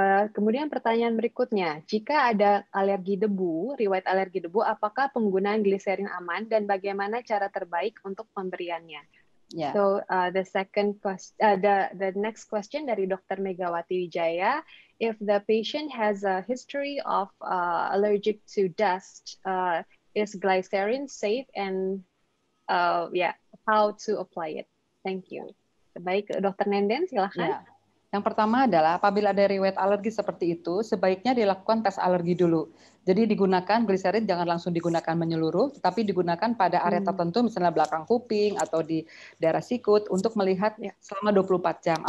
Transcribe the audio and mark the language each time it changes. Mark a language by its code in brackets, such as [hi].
[id] Kemudian pertanyaan berikutnya, jika ada alergi debu, riwayat alergi debu, apakah penggunaan gliserin aman dan bagaimana cara terbaik untuk pemberiannya? [en] Yeah. So the second question, the next question dari Dr. Megawati Wijaya, if the patient has a history of allergic to dust, is gliserin safe and yeah, how to apply it? Thank you. Baik, Dr. Nenden silakan. Yeah. [id] Yang pertama adalah apabila ada riwayat alergi seperti itu, sebaiknya dilakukan tes alergi dulu. Jadi digunakan gliserin, jangan langsung digunakan menyeluruh, tetapi digunakan pada area tertentu, misalnya belakang kuping atau di daerah sikut, untuk melihat selama 24 jam.